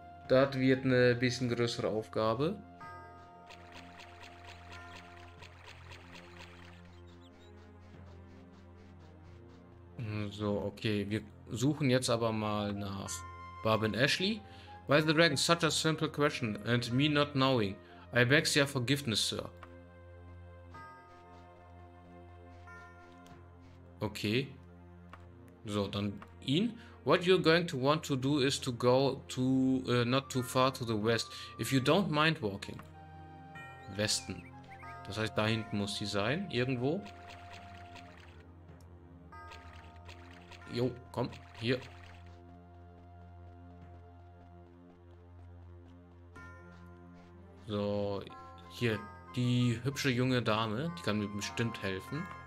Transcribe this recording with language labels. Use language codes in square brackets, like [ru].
[de] Das wird eine bisschen größere Aufgabe. So, okay, wir suchen jetzt aber mal nach Barbin Ashley. [en] Why the dragon? Such a simple question and me not knowing. I beg your forgiveness, sir. [de] Okay, so dann ihn. [en] What you're going to want to do is to go to not too far to the west, if you don't mind walking. [de] Westen, das heißt da hinten muss sie sein, irgendwo. Jo, komm, hier. So, hier, die hübsche junge Dame, die kann mir bestimmt helfen.